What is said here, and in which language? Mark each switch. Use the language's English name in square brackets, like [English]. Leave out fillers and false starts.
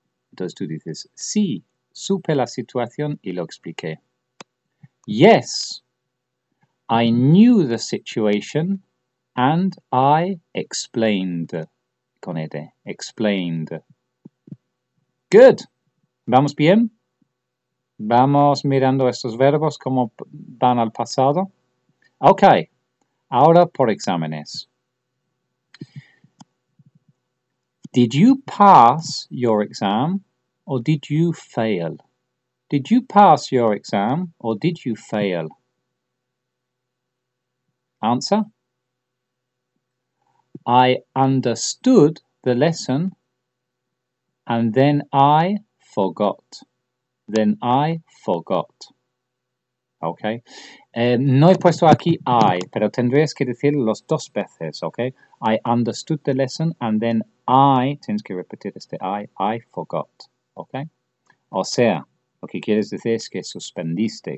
[Spanish] Entonces tú dices, sí, supe la situación y lo expliqué. [English] Yes, I knew the situation and I explained. [Spanish] Con ED, [English] explained. Good. [Spanish] ¿Vamos bien? Vamos mirando estos verbos, cómo van al pasado. Ok, ahora por exámenes. [English] Did you pass your exam or did you fail? Did you pass your exam or did you fail? Answer. I understood the lesson and then I forgot. Then I forgot. Ok. [Spanish] No he puesto aquí I, pero tendrías que decir los dos veces, ok? [English] I understood the lesson and then I, [Spanish] tienes que repetir este [English] I forgot, ok? [Spanish] O sea, lo que quieres decir es que suspendiste.